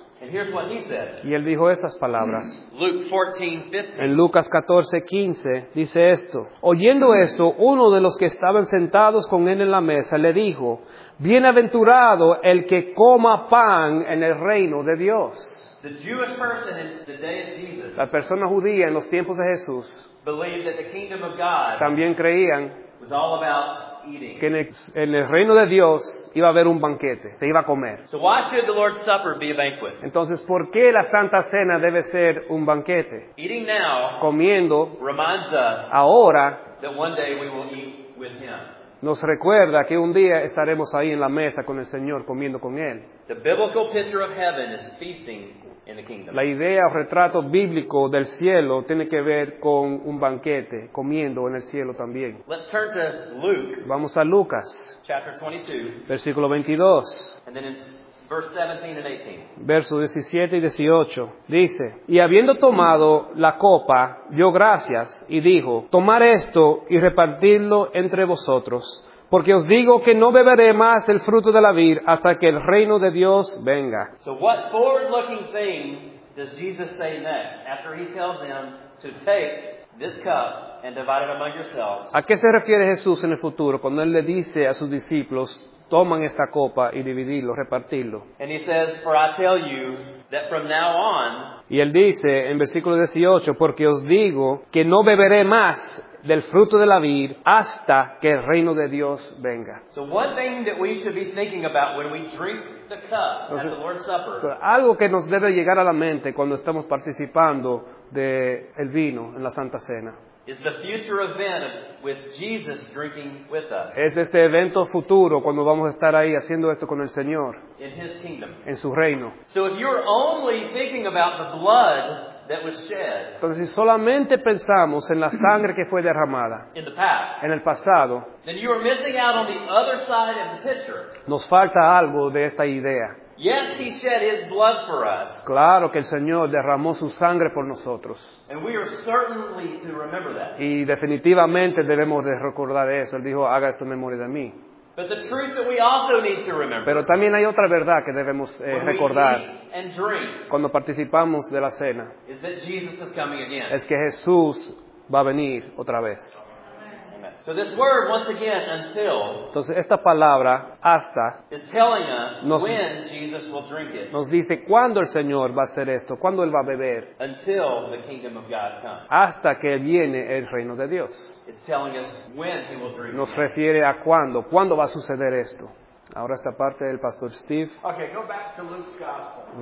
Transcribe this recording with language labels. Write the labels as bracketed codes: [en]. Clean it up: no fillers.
[en] and here's what he said, [es] y él dijo estas palabras. [en] Luke 14, 15, [es] en Lucas 14, 15, dice esto: oyendo esto, uno de los que estaban sentados con él en la mesa le dijo: bienaventurado el que coma pan en el reino de Dios. [en] The Jewish person in the day of Jesus, [es] la persona judía en los tiempos de Jesús, [en] believed that the kingdom of God, [es] también creían, [en] was all about eating, [es] que en el reino de Dios iba a haber un banquete, se iba a comer. [en] So why should the Lord's Supper be a banquet? [es] Entonces, ¿por qué la Santa Cena debe ser un banquete? [en] Eating now, [es] comiendo, [en] reminds us [es] ahora, [en] that one day we will eat with him. [es] Nos recuerda que un día estaremos ahí en la mesa con el Señor comiendo con él. [en] The biblical picture of heaven is feasting in the kingdom. [es] La idea o retrato bíblico del cielo tiene que ver con un banquete, comiendo en el cielo también. [en] Let's turn to Luke. [es] Vamos a Lucas. [en] Chapter 22. [es] Versículo 22. [en] And then in verse 17 and 18. [es] Verso 17 y 18. Dice, y habiendo tomado la copa, dio gracias y dijo, tomad esto y repartidlo entre vosotros. Porque os digo que no beberé más el fruto de la vid hasta que el reino de Dios venga. [en] So what forward-looking thing does Jesus say next after he tells them to take this cup and divide it among yourselves? [es] ¿A qué se refiere Jesús en el futuro cuando él le dice a sus discípulos, toman esta copa y dividirlo, repartirlo? [en] And he says, for I tell you that from now on, [es] y él dice en versículo 18, porque os digo que no beberé más del fruto de la vid hasta que el reino de Dios venga. [en] So one thing that we should be thinking about when we drink the cup at the Lord's Supper. So [es] algo que nos debe llegar a la mente cuando estamos participando de el vino en la Santa Cena. [en] Is the future event with Jesus drinking with us. [es] Es este evento futuro cuando vamos a estar ahí haciendo esto con el Señor. [en] In his kingdom. [es] En su reino. [en] So if you're only thinking about the blood that was shed. [es] Entonces, si solamente pensamos en la sangre que fue derramada [en] in the past, [es] en el pasado, [en] then you are missing out on the other side of the picture. [es] Nos falta algo de esta idea. [en] Yes, he shed his blood for us. [es] Claro que el Señor derramó su sangre por nosotros. [en] And we are certainly to remember that. [es] Y definitivamente debemos de recordar eso. Él dijo, haga esto en memoria de mí. [en] But the truth that we also need to remember. [es] Pero también hay otra verdad que debemos recordar. [en] And drink, [es] cuando participamos de la cena. [en] Is that Jesus is coming again. [es] Es que Jesús va a venir otra vez. [en] So this word, once again, until. [es] Entonces esta palabra, hasta. [en] Is telling us when Jesus will drink it. [es] Nos dice cuándo el Señor va a hacer esto. Cuándo Él va a beber. [en] Until the kingdom of God comes. [es] Hasta que viene el reino de Dios. [en] It's telling us when he will drink. [es] Nos refiere a cuándo. ¿Cuándo va a suceder esto? Ahora esta parte del pastor Steve. [en] Okay, go back to Luke's gospel.